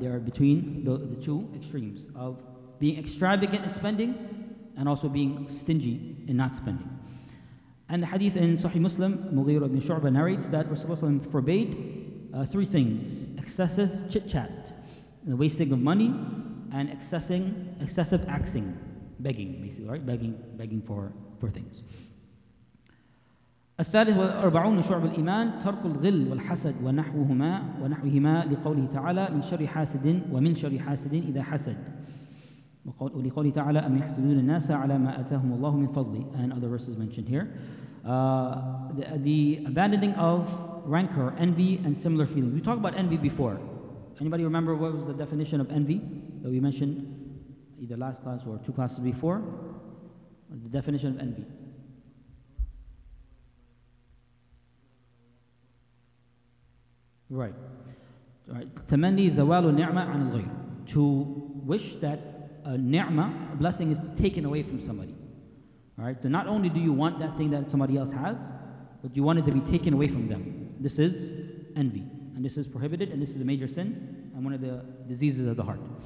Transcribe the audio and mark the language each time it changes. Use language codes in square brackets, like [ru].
[en] They are between the two extremes of being extravagant in spending and also being stingy in not spending. And the hadith in Sahih Muslim, Mughir ibn Shu'bah narrates that Rasulullah forbade three things: excessive chit-chat, the wasting of money, and excessive axing, begging, basically, right? Begging for things. [ar] الثالث والأربعون شعب الإيمان ترك الغل والحسد ونحوهما لقوله تعالى من شر حاسد ومن شر حاسد إذا حسد ولقوله تعالى أم يحسدون الناس على ما أتاهم الله من فضله. [en] And other verses mentioned here. The abandoning of rancor, envy, and similar feelings. We talked about envy before. Anybody remember what was the definition of envy that we mentioned either last class or two classes before? The definition of envy. Right. [ar] تمني زوال النعمة عن الغير. [en] To wish that a ni'mah, a blessing, is taken away from somebody. Alright, so not only do you want that thing that somebody else has, but you want it to be taken away from them. This is envy. And this is prohibited, and this is a major sin, and one of the diseases of the heart.